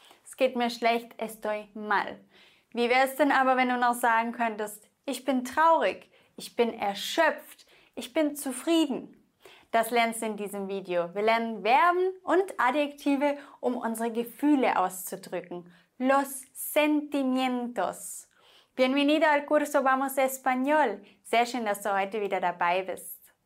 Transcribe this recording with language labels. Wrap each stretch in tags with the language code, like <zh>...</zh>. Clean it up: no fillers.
<de>Es geht mir schlecht,</de> <es>estoy mal.</es> <de>Wie wäre es denn aber, wenn du noch sagen könntest, ich bin traurig, ich bin erschöpft, ich bin zufrieden? Das lernst du in diesem Video. Wir lernen Verben und Adjektive, um unsere Gefühle auszudrücken.</de> <es>Los sentimientos. Bienvenido al curso Vamos Español.</es> <de>Sehr schön, dass du heute wieder dabei bist.</de>